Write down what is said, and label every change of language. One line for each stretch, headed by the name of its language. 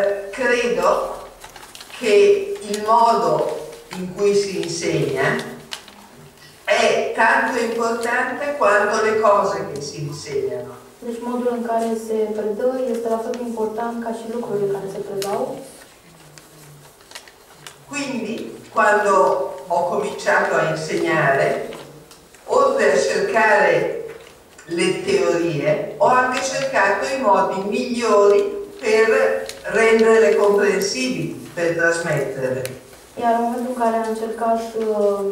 Italian: Credo che il modo in cui si insegna è tanto importante quanto le cose che si insegnano.
Romanian: Deci modul în care se predă este la fel important ca și lucrurile care se predau.
Italian: Quindi, quando ho cominciato a insegnare, oltre a cercare le teorie, ho anche cercato i modi migliori per renderle comprensibili, per trasmetterle.
Romanian: Iar în momentul în care am încercat să...